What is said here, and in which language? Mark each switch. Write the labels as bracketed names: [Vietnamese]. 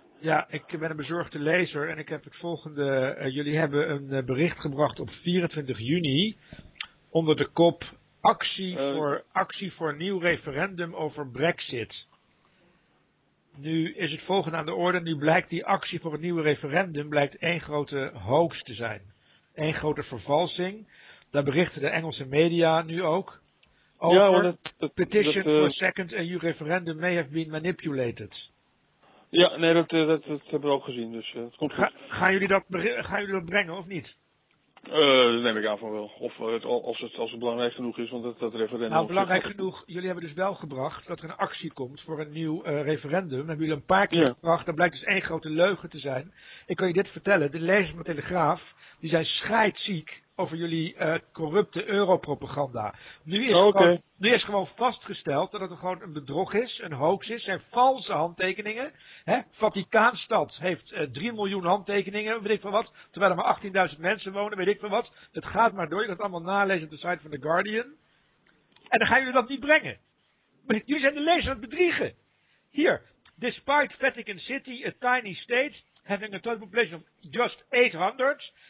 [Dutch] Ja, ik ben een bezorgde lezer en ik heb het volgende. Jullie hebben een bericht gebracht op 24 juni onder de kop actie voor een nieuw referendum over Brexit. Nu is het volgende aan de orde. Nu blijkt die actie voor het nieuwe referendum blijkt één grote hoax te zijn. Eén grote vervalsing. Daar berichten de Engelse media nu ook over. Ja, [English] petition for second EU referendum may have been manipulated. [Dutch] Ja, nee, dat hebben we ook gezien. Dus, dat komt gaan jullie dat brengen of niet? Dat neem ik aan van wel. Of als het belangrijk genoeg is, want dat referendum... Nou, belangrijk genoeg, jullie hebben dus wel gebracht dat er een actie komt voor een nieuw referendum. Hebben jullie een paar keer gebracht, dat blijkt dus één grote leugen te zijn. Ik kan je dit vertellen, de lezers van Telegraaf, die zijn scheidziek over jullie corrupte europropaganda. Nu is gewoon vastgesteld dat het gewoon een bedrog is, een hoax is, zijn valse handtekeningen. Hè? Vaticaanstad heeft 3 miljoen handtekeningen, weet ik van wat, terwijl er maar 18.000 mensen wonen, weet ik van wat. Het gaat maar door, je kan het allemaal nalezen op de site van The Guardian. En dan gaan jullie dat niet brengen. Jullie zijn de lezer aan het bedriegen. Hier, [English] despite Vatican City, a tiny state, having a total population of just 800...